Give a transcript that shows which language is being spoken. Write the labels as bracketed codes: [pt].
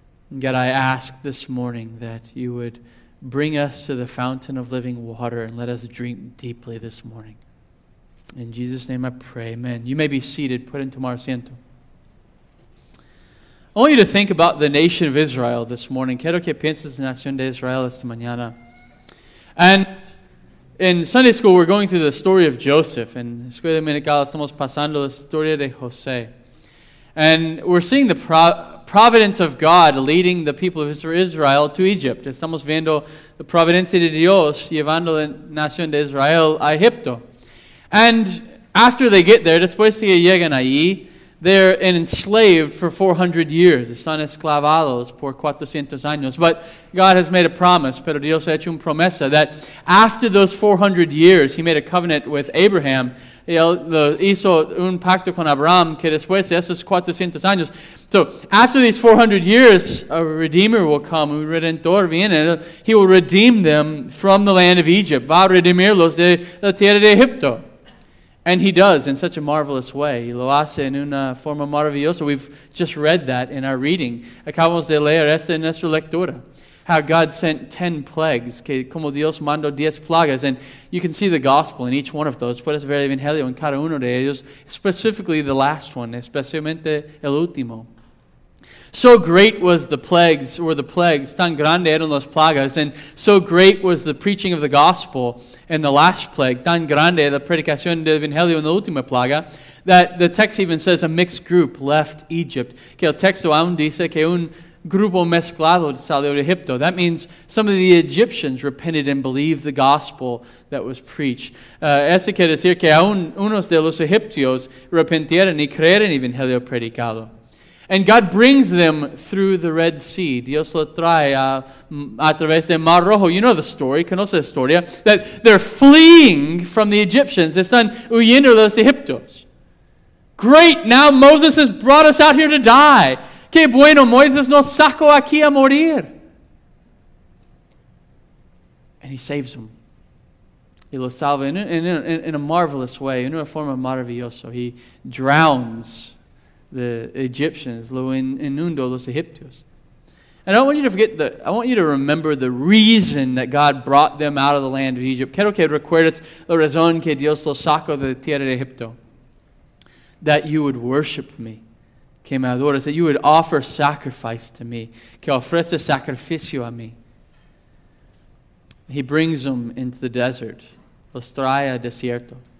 [en] And God, I ask this morning that you would bring us to the fountain of living water and let us drink deeply this morning. In Jesus' name I pray, amen. You may be seated, put into [es] tu asiento. [en] I want you to think about the nation of Israel this morning. [es] Quiero que pienses en la nación de Israel esta mañana. [en] And in Sunday school, we're going through the story of Joseph. [es] En la escuela dominical, estamos pasando la historia de José. [en] And we're seeing the providence of God leading the people of Israel to Egypt. [es] Estamos viendo la providencia de Dios llevando la nación de Israel a Egipto. [en] And after they get there, [es] después de que llegan allí, [en] they're enslaved for 400 years. [es] Están esclavados por 400 años. [en] But God has made a promise, [es] pero Dios ha hecho una promesa, [en] that after those 400 years, he made a covenant with Abraham. [es] Hizo un pacto con Abraham que después de esos 400 años. [en] So after these 400 years, a Redeemer will come, [es] un Redentor viene, [en] he will redeem them from the land of Egypt. [es] Va a redimirlos de la tierra de Egipto. [en] And he does in such a marvelous way. [es] Y lo hace en una forma maravillosa. [en] We've just read that in our reading. [es] Acabamos de leer esta en nuestra lectura. [en] How God sent 10 plagues. [es] Que como Dios mandó 10 plagas. [en] And you can see the gospel in each one of those. [es] Puedes ver el evangelio en cada uno de ellos. [en] Specifically the last one. [es] Especialmente el último. [en] So great was the plagues, or the plagues, [es] tan grande eran las plagas, [en] and so great was the preaching of the gospel in the last plague, [es] tan grande la predicación del evangelio en la última plaga, [en] that the text even says a mixed group left Egypt. [es] Que el texto aún dice que un grupo mezclado salió de Egipto. [en] That means some of the Egyptians repented and believed the gospel that was preached. [es] Eso quiere decir que aún unos de los egipcios repentieron y creyeron el evangelio predicado. [en] And God brings them through the Red Sea. [es] Dios lo trae a través del Mar Rojo. [en] You know the story. [es] Conoce la historia. [en] That they're fleeing from the Egyptians. [es] Están huyendo de los egipcios. [en] Great, now Moses has brought us out here to die. [es] Qué bueno, Moisés nos sacó aquí a morir. [en] And he saves them. [es] Y los salva [en] in a marvelous way. [es] In una forma maravillosa. [en] He drowns the Egyptians, [es] lo inundo los egipcios. [en] And I don't want you to forget I want you to remember the reason that God brought them out of the land of Egypt. [es] Quiero que recuerdes la razón que Dios los sacó de tierra de Egipto. [en] That you would worship me, [es] que me adores, [en] that you would offer sacrifice to me, [es] que ofrece sacrificio a mí. [en] He brings them into the desert, [es] los trae a desierto.